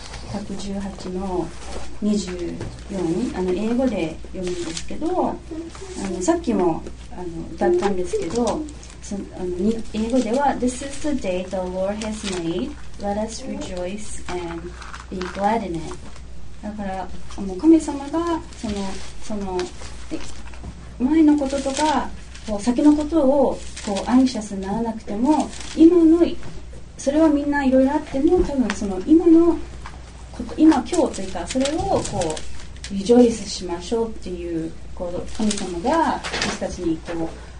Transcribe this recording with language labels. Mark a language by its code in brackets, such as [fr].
[ja] 118の24、英語で読むんですけど、さっきも歌ったんですけど、英語では [en] This is the day the Lord has made. Let us rejoice and be glad in it. [ja] だから神様がその前のこととか先のことをアンシャスにならなくても、今のそれはみんないろいろあっても、多分その今日というか、それをこうリジョイスしましょうっていう、こう神様が私たちにこ